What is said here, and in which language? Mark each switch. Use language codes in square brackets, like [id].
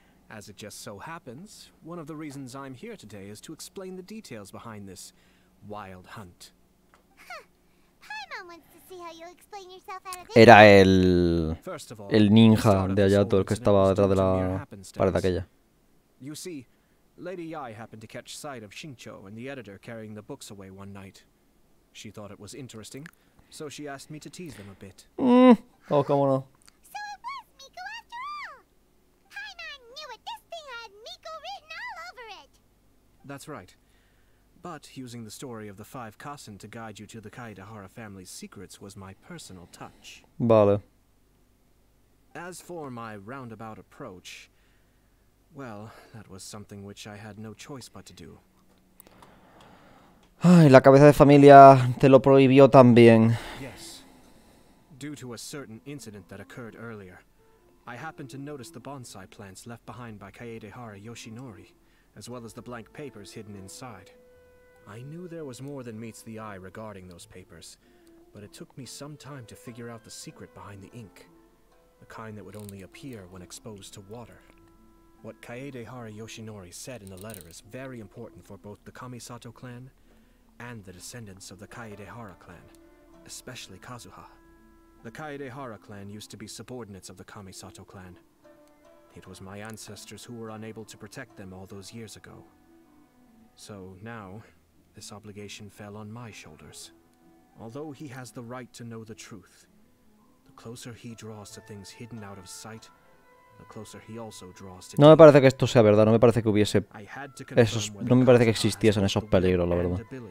[en] As it just so happens, one of the reasons I'm here today is to explain the details behind this wild hunt. Paimon wants to see how you explain yourself out of this. [es] Era el ninja de Hayato, el que estaba detrás de la pared aquella. [en] You see, Lady Yai happened to catch sight of Shincho and the editor carrying the books away one night. She thought it was interesting, so she asked me to tease them a bit. Oh, come on. So it was Miko after all! Paimon knew it! This thing had Miko written all over it! That's right. But using the story of the five Kasen to guide you to the Kaidahara family's secrets was my personal touch. [es] Vale. [en] As for my roundabout approach, well, that was something which I had no choice but to do. [es] Ay, la cabeza de familia te lo prohibió también. [en] Yes. Due to a certain incident that occurred earlier, I happened to notice the bonsai plants left behind by Kaedehara Yoshinori, as well as the blank papers hidden inside. I knew there was more than meets the eye regarding those papers, but it took me some time to figure out the secret behind the ink, the kind that would only appear when exposed to water. What Kaede Hara Yoshinori said in the letter is very important for both the Kamisato clan and the descendants of the Kaede Hara clan, especially Kazuha. The Kaede Hara clan used to be subordinates of the Kamisato clan. It was my ancestors who were unable to protect them all those years ago. So now, this obligation fell on my shoulders. Although he has the right to know the truth, the closer he draws to things hidden out of sight, the closer he also draws to... [es] No me parece que esto sea verdad, no me parece que hubiese esos, no me parece que existiesen esos peligros, la verdad.